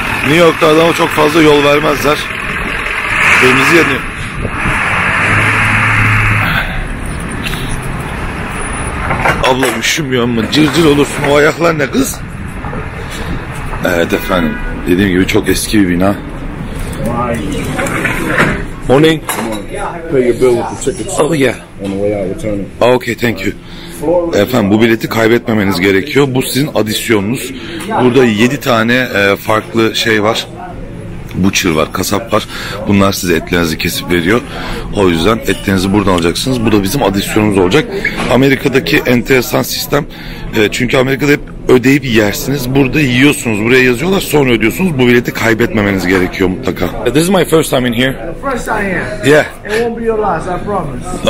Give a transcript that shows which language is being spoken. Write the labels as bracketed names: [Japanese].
[Turkish] New York'ta adama çok fazla yol vermezler. Kırmızı yanıyor. Abla üşümüyor mu? Cırcır olursun, o ayaklar ne kız? Evet efendim, dediğim gibi çok eski bir bina. [English] Morning. Pay your bill with the ticket. Oh yeah. On the way out, returning. Okay, thank you. [Turkish] Efendim bu bileti kaybetmemeniz gerekiyor. Bu sizin adisyonunuz. Burada 7 tane farklı şey var. Butcher var, kasap var. Bunlar size etlerinizi kesip veriyor. O yüzden etlerinizi buradan alacaksınız. Bu da bizim adisyonumuz olacak. Amerika'daki enteresan sistem. Çünkü Amerika'da hep ödeyip yersiniz. Burada yiyorsunuz. Buraya yazıyorlar, sonra ödüyorsunuz. Bu bileti kaybetmemeniz gerekiyor mutlaka. [English] This is my first time in here. First time here. Yeah. It won't be your last, I promise.